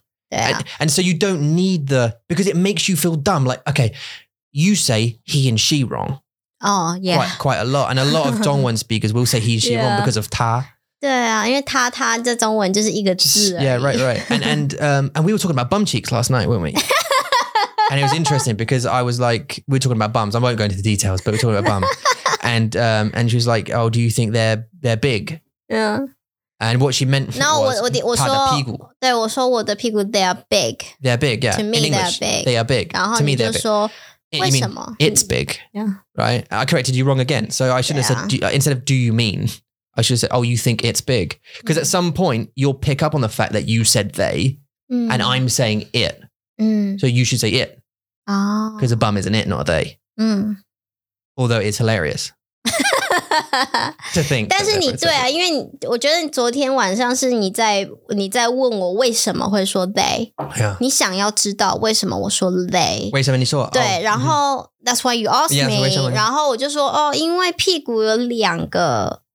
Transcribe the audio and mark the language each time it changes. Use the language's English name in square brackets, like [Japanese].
[English] And so you don't need the, because it makes you feel dumb. Like, okay, you say he and she wrong. Oh, yeah. Quite a lot. And a lot of Zhongwen speakers will say he and she wrong because of 他. [Chinese] 对啊，因为他他在中文就是一个字而已。 [English] Yeah, right. And we were talking about bum cheeks last night, weren't we? And it was interesting because I was like, we're talking about bums. I won't go into the details, but we're talking about bum. And she was like, oh, do you think they're big? Yeah. And what she meant for, no, was [Chinese] 我说, 她的屁股。对，我说我的屁股, [English] they are big. They are big, yeah. To me, English, they are big. They are big. [Chinese] 然后你就说, [English] to me, they're big. [Chinese] 为什么? [English] It's big. Yeah. Right? I corrected you wrong again. So I shouldn't have said, instead of do you mean, I should have said, oh, you think it's big. Because at some point, you'll pick up on the fact that you said they, and I'm saying it. So you should say it. Because a bum is an it, not a they. Although it's hilarious. To think. [Chinese] 但是你对啊，因为我觉得昨天晚上是你在问我为什么会说they. [English] Yeah. [Chinese] 你想要知道为什么我说they. 为什么你说? 对,然后 [English] that's why you asked me. [Chinese] 然后我就说,哦,因为屁股有两个